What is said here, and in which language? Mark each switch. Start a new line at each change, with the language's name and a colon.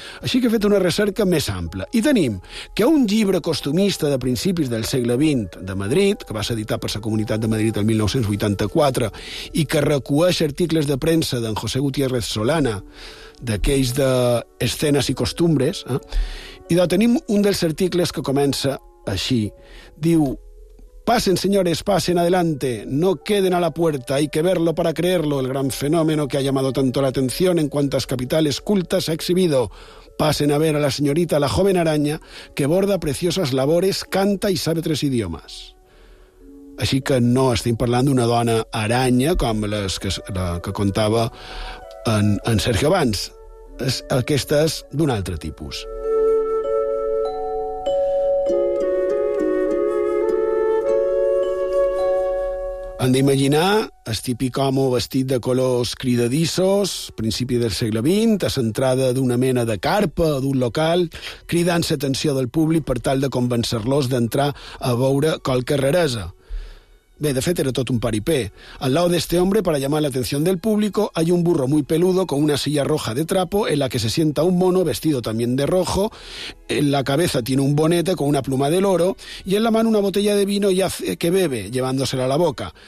Catalan: Així que he fet una recerca més ampla. I tenim que un llibre costumista de principis del segle XX de Madrid, que va ser editat per la Comunitat de Madrid el 1984, i que recueix articles de premsa d'en José Gutiérrez Solana, d'aquells d'escenes i costumbres, i tenim un dels articles que comença així. Diu:
Spanish: Pasen, señores, pasen adelante. No queden a la puerta. Hay que verlo para creerlo. El gran fenómeno que ha llamado tanto la atención en cuantas capitales cultas ha exhibido. Pasen a ver a la señorita, la joven araña, que borda preciosas labores, canta y sabe tres idiomas.
Catalan: Així que no estem parlant d'una dona araña com les que, la que contava en Sergio Vans. Aquesta és d'un altre tipus. Hem d'imaginar el típic home vestit de colors cridadissos, principi del segle XX, a l'entrada d'una mena de carpa, d'un local, cridant l'atenció del públic per tal de convencer-los d'entrar a veure qualque raresa. Bé, de fet, era tot un paripé.
Spanish: Al lado de este hombre, para llamar la atención del público, hay un burro muy peludo con una silla roja de trapo en la que se sienta un mono vestido también de rojo. En la cabeza tiene un bonete con una pluma de loro y en la mano una botella de vino y hace que bebe, llevándosela a la boca.